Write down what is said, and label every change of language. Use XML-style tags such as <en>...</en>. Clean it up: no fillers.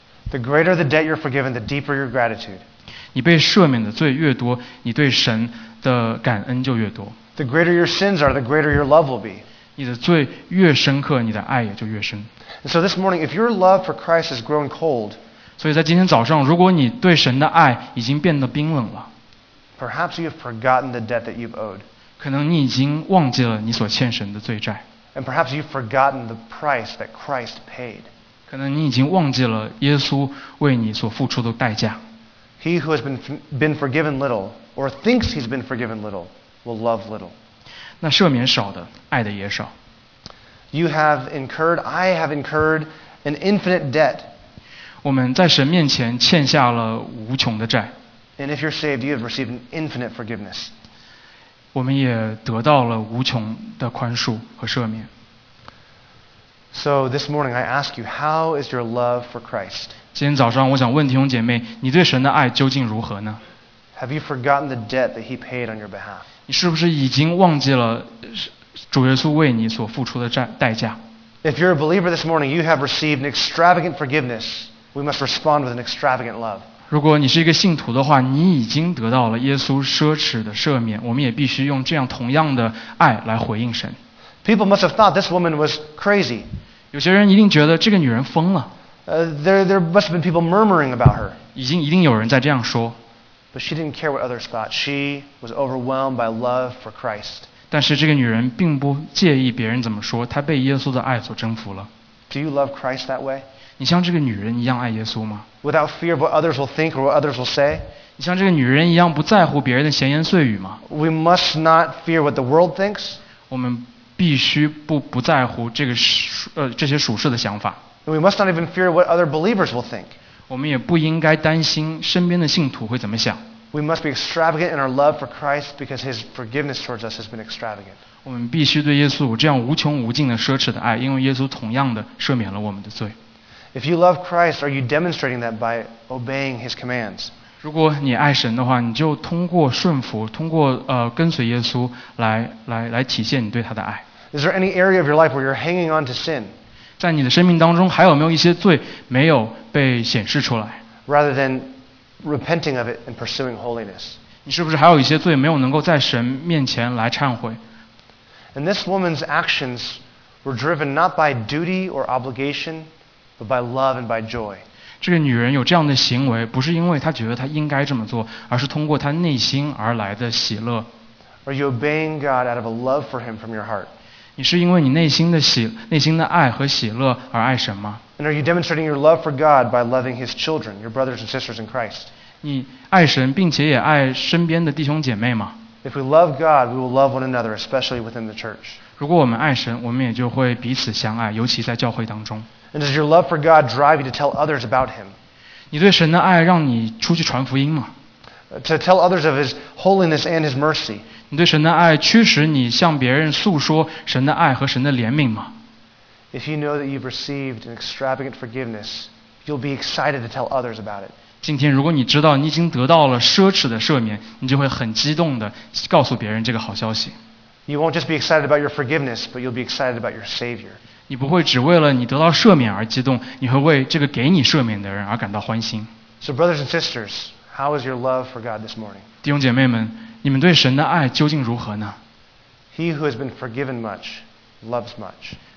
<en>The greater the debt you're forgiven, the deeper your gratitude.</en> <zh>你被赦免的罪越多，你对神的感恩就越多。</zh> <en>The greater your sins are, the greater your love will be.</en> <zh>你的罪越深刻，你的爱也就越深。</zh> <en>And so this morning, if your love for Christ has grown cold,</en> <zh>所以在今天早上，如果你对神的爱已经变得冰冷了，</zh> <en>perhaps you have forgotten the debt that you've owed.</en> <zh>可能你已经忘记了你所欠神的罪债。</zh> <en>And perhaps you've forgotten the price that Christ paid.</en> <zh>可能你已经忘记了耶稣为你所付出的代价。</zh> <en>He who has been forgiven little, or thinks he's been forgiven little, will love little.</en> <zh>那赦免少的，爱的也少。</zh> <en>You have incurred, I have incurred an infinite debt.</en> <zh>我们在神面前欠下了无穷的债。</zh> <en>And if you're saved, you have received an infinite forgiveness.</en> <zh>我们也得到了无穷的宽恕和赦免。</zh> <en>So this morning I ask you, how is your love for Christ?</en> <zh>今天早上我想问弟兄姐妹，你对神的爱究竟如何呢？</zh> <en>Have you forgotten the debt that he paid on your behalf?</en> <zh>你是不是已经忘记了主耶稣为你所付出的代价？</zh> <en>If you're a believer this morning, you have received an extravagant forgiveness. We must respond with an extravagant love.</en> <zh>如果你是一个信徒的话，你已经得到了耶稣奢侈的赦免，我们也必须用这样同样的爱来回应神。</zh> <en>People must have thought this woman was crazy.</en> <zh>有些人一定觉得这个女人疯了。</zh> <en>There must have been people murmuring about her.</en> <zh>已经一定有人在这样说。</zh> <en>But she didn't care what others thought. She was overwhelmed by love for Christ.</en> <zh>但是这个女人并不介意别人怎么说，她被耶稣的爱所征服了。</zh> <en>Do you love Christ that way?</en> <zh>你像这个女人一样爱耶稣吗？</zh> <en>Without fear of what others will think or what others will say?</en> <zh>你像这个女人一样不在乎别人的闲言碎语吗？</zh> <en>We must not fear what the world thinks.</en> <zh>我们必须不在乎这个这些属世的想法。</zh> <en>We must not even fear what other believers will think.</en> <zh>我们也不应该担心身边的信徒会怎么想。</zh> <en>We must be extravagant in our love for Christ because his forgiveness towards us has been extravagant.</en> <zh>我们必须对耶稣有这样无穷无尽的奢侈的爱，因为耶稣同样的赦免了我们的罪。</zh> <en>If you love Christ, are you demonstrating that by obeying his commands?</en> <zh>如果你爱神的话，你就通过顺服，通过跟随耶稣来体现你对他的爱。</zh> <en>Is there any area of your life where you're hanging on to sin?</en> <zh>在你的生命当中，还有没有一些罪没有被显示出来？</zh> <en>Rather than repenting of it and pursuing holiness.</en> <zh>你是不是还有一些罪没有能够在神面前来忏悔？</zh> <en>And this woman's actions were driven not by duty or obligation, but by love and by joy.</en> <zh>这个女人有这样的行为，不是因为她觉得她应该这么做，而是通过她内心而来的喜乐。</zh> <en>Are you obeying God out of a love for him from your heart?</en> <zh>你是因为你内心的爱和喜乐而爱神吗？</zh> <en>And are you demonstrating your love for God by loving his children, your brothers and sisters in Christ?</en> <zh>你爱神并且也爱身边的弟兄姐妹吗？</zh> <en>If we love God, we will love one another, especially within the church.</en> <zh>如果我们爱神，我们也就会彼此相爱，尤其在教会当中。</zh> <en>And does your love for God drive you to tell others about him?</en> <zh>你对神的爱让你出去传福音吗？</zh> <en>To tell others of his holiness and his mercy.</en> <zh>你对神的爱驱使你向别人诉说神的爱和神的怜悯吗？</zh> <en>If you know that you've received an extravagant forgiveness, you'll be excited to tell others about it.</en> <zh>今天如果你知道你已经得到了奢侈的赦免，你就会很激动地告诉别人这个好消息。</zh> <en>You won't just be excited about your forgiveness, but you'll be excited about your Savior.</en> <zh>你不会只为了你得到赦免而激动，你会为这个给你赦免的人而感到欢心。</zh> <en>So brothers and sisters, how is your love for God this morning?</en> <zh>弟兄姐妹们，你们对神的爱究竟如何呢？</zh> <en>He who has been forgiven much, loves much.</en>